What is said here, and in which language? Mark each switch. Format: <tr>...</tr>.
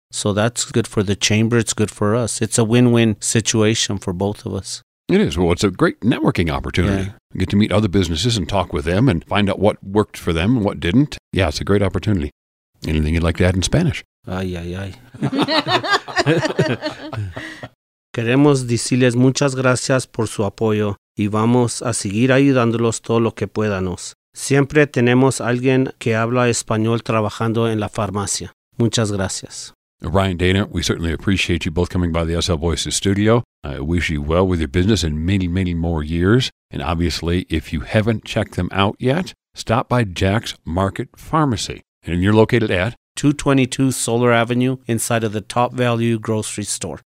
<en>So that's good for the chamber. It's good for us. It's a win-win situation for both of us. It is. Well, it's a great networking opportunity. Yeah. You get to meet other businesses and talk with them and find out what worked for them and what didn't. Yeah, it's a great opportunity. Anything you'd like to add in Spanish? Ay, ay, ay.</en> <es>Queremos decirles muchas gracias por su apoyo y vamos a seguir ayudándolos todo lo que podamos. Siempre tenemos alguien que habla español trabajando en la farmacia. Muchas gracias.</es> <en>Ryan, Dana, we certainly appreciate you both coming by the SL Voices studio. I wish you well with your business in many, many more years. And obviously, if you haven't checked them out yet, stop by Jack's Market Pharmacy. And you're located at? 222 Solar Avenue inside of the Top Value grocery store.</en>